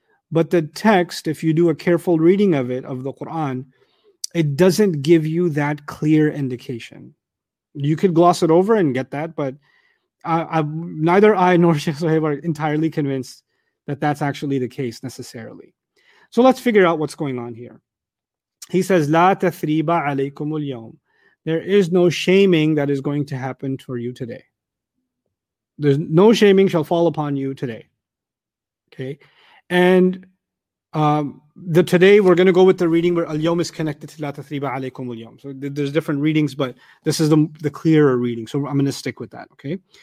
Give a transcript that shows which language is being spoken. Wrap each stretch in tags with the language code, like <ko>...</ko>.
<en>But the text, if you do a careful reading of it, of the Quran, it doesn't give you that clear indication. You could gloss it over and get that, but neither I nor Sheikh Suhaib are entirely convinced that that's actually the case necessarily. So let's figure out what's going on here. He says,</en> <ar>لا تثريب عليكم اليوم.</ar> <en>There is no shaming that is going to happen for you today. There's no shaming shall fall upon you today. Okay. And today we're going to go with the reading where al-yawm is connected to la tathriba alaykum al-yawm. So there's different readings, but this is the clearer reading. So I'm going to stick with that. Okay.</en>